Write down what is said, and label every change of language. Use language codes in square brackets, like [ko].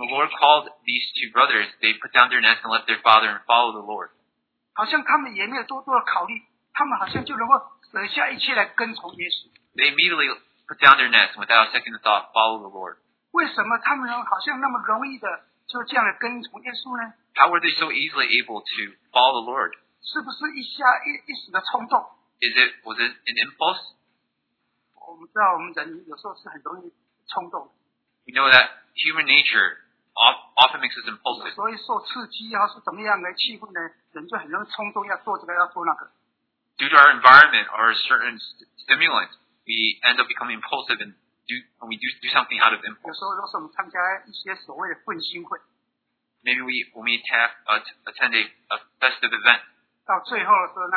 [en] When the Lord called these two brothers, they put down their nets and left their father and followed the Lord. [zh] 好像他们也没有多的考虑。他们好像就能够舍下一切来跟从耶稣。 [en] They immediately put down their nets without a second thought, follow the Lord. [zh] 为什么他们好像那么容易的就这样来跟从耶稣呢？ [en] How were they so easily able to follow the Lord? [zh] 是不是一时的冲动？ [en] Was it an impulse? [zh] 我们知道我们人有时候是很容易冲动的。 [en] We know that human nature often makes us impulsive. [zh] 所以受刺激啊，是怎么样来气氛呢？人就很容易冲动，要做这个，要做那个。 [en] Due to our environment or a certain stimulant, we end up becoming impulsive and do something out of impulse. Maybe we attend a festive event.